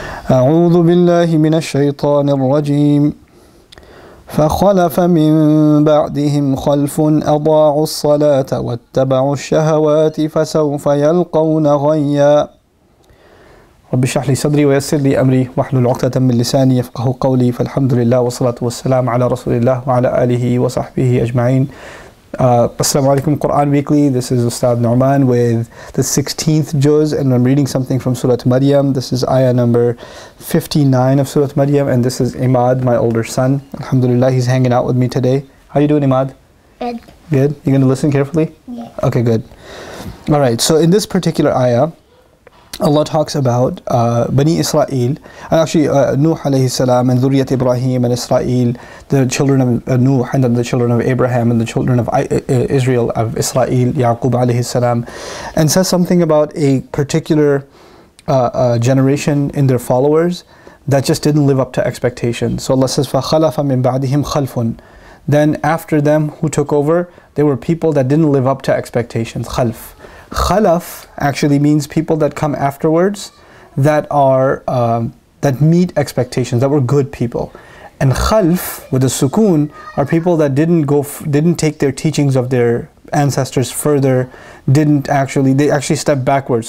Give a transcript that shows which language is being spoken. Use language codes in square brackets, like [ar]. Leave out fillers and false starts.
[ar] أعوذ بالله من الشيطان الرجيم. فخلف من بعدهم خلف أضاعوا الصلاة واتبعوا الشهوات فسوف يلقون غيا. رب اشرح لي صدري ويسر لي أمري واحلل عقدة من لساني يفقه قولي. فالحمد لله والصلاة والسلام على رسول الله وعلى آله وصحبه أجمعين. [en] Assalamu alaikum, Quran Weekly. This is Ustad Norman with the 16th Juz, and I'm reading something from Surah Maryam. This is ayah number 59 of Surah Maryam, and this is Imad, my older son. Alhamdulillah, he's hanging out with me today. How you doing, Imad? Good. Good? You gonna listen carefully? Yeah. Okay, good. Alright, so in this particular ayah, Allah talks about Bani Israel, and actually Nuh alayhi salam and Zuriyat Ibrahim and Israel, the children of Nuh, and then the children of Abraham and the children of Israel, of Israel, Yaqub alayhi salam, and says something about a particular generation in their followers that just didn't live up to expectations. So Allah says, [ar] فَخَلَفَ مِن بَعْدِهِمْ خَلْفٌ. [en] Then after them who took over, there were people that didn't live up to expectations. [ar] خَلْف. [en] Khalaf actually means people that come afterwards that are that meet expectations, that were good people. And khalf with a sukoon are people that didn't take their teachings of their ancestors further, they actually stepped backwards.